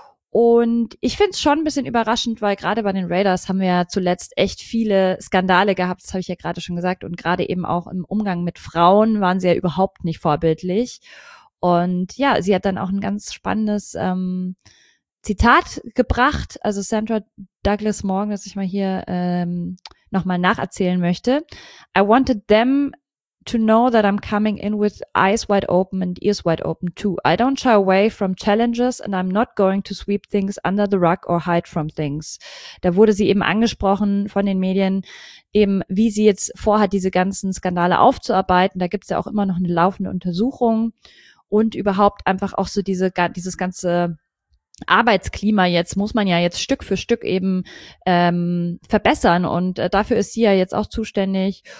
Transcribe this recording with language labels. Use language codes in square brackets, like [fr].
[de] Und ich finde es schon ein bisschen überraschend, weil gerade bei den Raiders haben wir ja zuletzt echt viele Skandale gehabt, das habe ich ja gerade schon gesagt. Und gerade eben auch im Umgang mit Frauen waren sie ja überhaupt nicht vorbildlich. Und ja, sie hat dann auch ein ganz spannendes Zitat gebracht, also Sandra Douglas Morgan, das ich mal hier nochmal nacherzählen möchte. [en] I wanted them to know that I'm coming in with eyes wide open and ears wide open too. I don't shy away from challenges and I'm not going to sweep things under the rug or hide from things. [de] Da wurde sie eben angesprochen von den Medien, eben wie sie jetzt vorhat, diese ganzen Skandale aufzuarbeiten. Da gibt's ja auch immer noch eine laufende Untersuchung und überhaupt einfach auch so dieses ganze Arbeitsklima jetzt, muss man ja jetzt Stück für Stück eben verbessern und dafür ist sie ja jetzt auch zuständig.